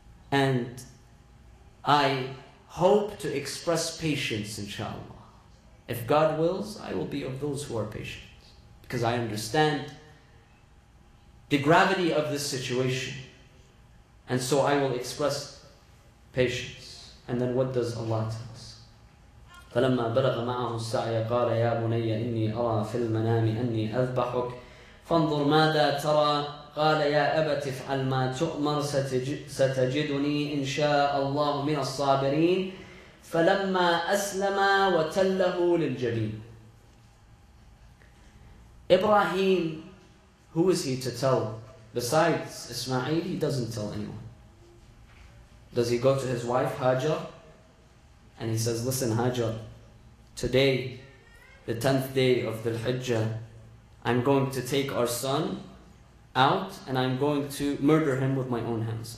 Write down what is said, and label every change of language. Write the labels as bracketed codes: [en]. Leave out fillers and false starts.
[en] And I hope to express patience, inshallah. If God wills, I will be of those who are patient. Because I understand the gravity of this situation. And so I will express patience. And then what does Allah tell us? [ar] فَلَمَّا بَلَغَ مَعَهُ السَّعْيَ قَالَ يَا بُنَيَّ إِنِّي أَرَى فِي الْمَنَامِ أَنِّي أَذْبَحُكَ فَانْظُرْ مَاذَا تَرَى قال يا أبت افعل ما تؤمر ستجدني إن شاء الله من الصابرين فلما أسلم وتله للجبين إبراهيم [en] Who is he to tell? Besides Ismail, he doesn't tell anyone. Does he go to his wife Hajar? And he says, Listen Hajar, today, the 10th day of Dhul Hijjah, I'm going to take our son out and I'm going to murder him with my own hands.